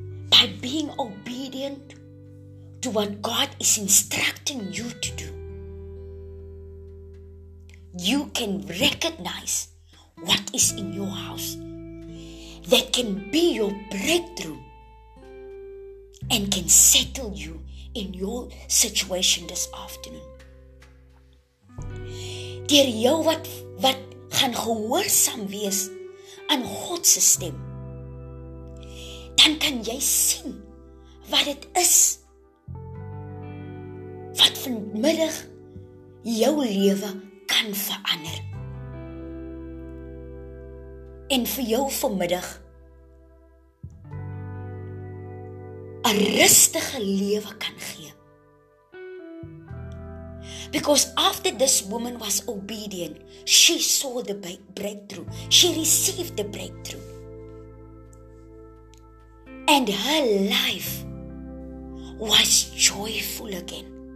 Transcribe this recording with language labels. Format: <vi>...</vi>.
<en>By being obedient to what God is instructing you to do, you can recognize what is in your house that can be your breakthrough and can settle you in your situation this afternoon.</en> <af>Deur jou wat gaan gehoorsaam wees aan God se stem, dan kan jy sien wat dit is wat vanmiddag jou lewe kan verander. En vir jou vanmiddag 'n rustige lewe kan gee.</af> <en>Because after this woman was obedient, she saw the breakthrough. She received the breakthrough. And her life was joyful again.</en>